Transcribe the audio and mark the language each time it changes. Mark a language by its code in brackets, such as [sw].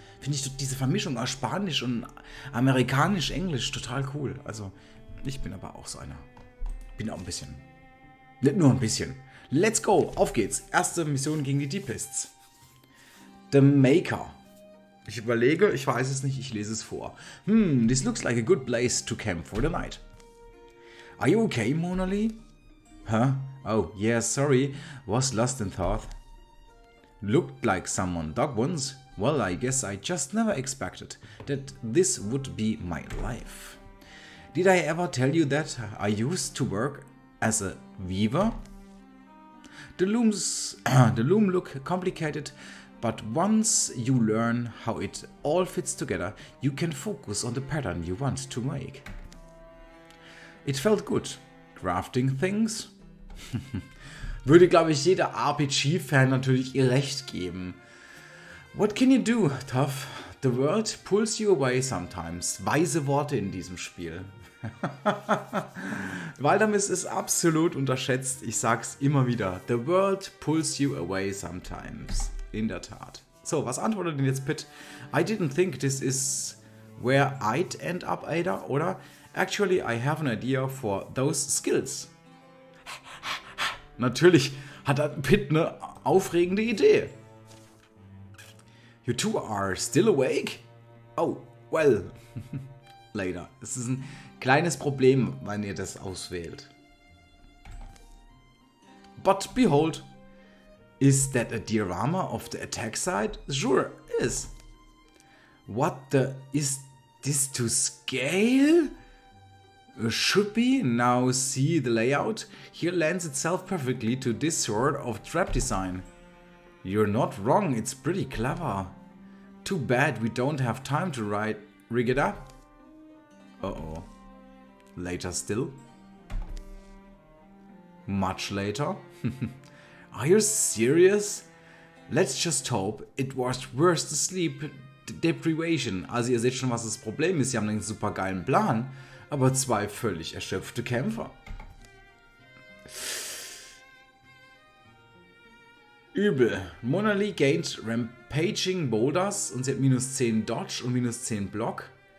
[de] Finde ich diese Vermischung aus Spanisch und Amerikanisch-Englisch total cool. Also, ich bin aber auch so einer. Bin auch ein bisschen. Nicht nur ein bisschen. [en] Let's go, [de] auf geht's. Erste Mission gegen die Deepists. The Maker. Ich überlege, ich weiß es nicht, ich lese es vor. [en] This looks like a good place to camp for the night. Are you okay, Monali? Huh? Oh, yeah, sorry. Was lost in thought. Looked like someone dug once. Well, I guess I just never expected that this would be my life. Did I ever tell you that I used to work as a weaver? The loom look complicated, but once you learn how it all fits together, you can focus on the pattern you want to make. It felt good. Crafting things? [de] Würde, glaube ich, jeder RPG-Fan natürlich ihr Recht geben. [en] What can you do, Tuff? The world pulls you away sometimes. [de] Weise Worte in diesem Spiel. Waldemar ist absolut unterschätzt. Ich sag's immer wieder. [en] The world pulls you away sometimes. [de] In der Tat. So, was antwortet denn jetzt Pitt? [en] I didn't think this is where I'd end up, Ada. [de] Oder [en] actually, I have an idea for those skills. [de] Natürlich hat Pitt eine aufregende Idee. [en] You two are still awake? Oh, well. Later. [de] Es ist ein kleines Problem, wenn ihr das auswählt. [en] But behold, is that a diorama of the attack side? Sure is. What the... Is this to scale? Should be. Now see the layout. Here lends itself perfectly to this sort of trap design. You're not wrong. It's pretty clever. Too bad we don't have time to rig it up. Uh-oh. Later still. Much later. Are you serious? Let's just hope it was worth the sleep deprivation. [de] Also ihr seht schon, was das Problem ist. Sie haben einen super geilen Plan, aber zwei völlig erschöpfte Kämpfer. Übel. Mona Lee [en] gained Rampaging Boulders [de] und sie hat minus 10 Dodge und minus 10 Block.